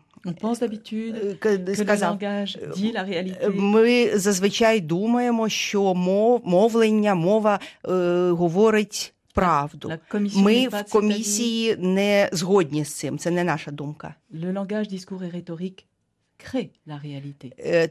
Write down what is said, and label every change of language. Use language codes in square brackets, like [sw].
[fr] On pense d'habitude que le langage dit la réalité. [uk] Ми зазвичай думаємо, що мовлення, мова говорить правду. Ми в комісії не згодні з цим, це не наша думка. [fr] Le langage, discours et rhétorique créent la réalité.